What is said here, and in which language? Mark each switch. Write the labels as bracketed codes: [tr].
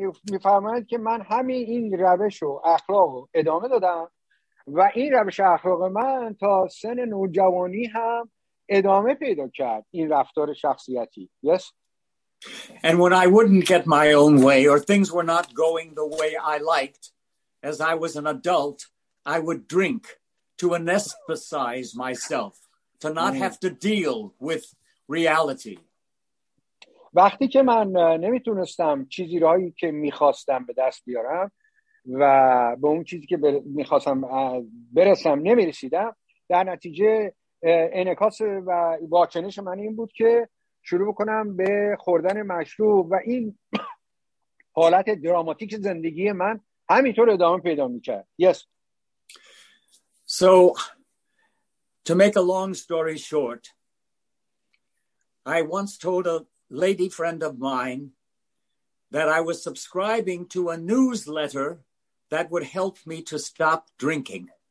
[fa] می‌فهمید که من همین این روش و اخلاق ادامه دادم و این روش اخلاق من تا سن نوجوانی هم ادامه پیدا کرد این رفتار شخصیتی. [en] Yes. And when I wouldn't get my own way or things were not going the way I liked as I was an adult, I would drink to anesthetize myself to not have to deal with reality. [fa] وقتی که من نمیتونستم چیزی رو هایی که میخواستم به دست بیارم و به اون چیزی که میخواستم برسم نمیرسیدم، در نتیجه انعکاس و واکنش من این بود که شروع بکنم به خوردن مشروب و این حالت دراماتیک زندگی من همینطور ادامه پیدا میکرد. [en] Yes. So to make a long story short, I once told a lady friend of mine that I was subscribing to a newsletter that would help me to stop drinking.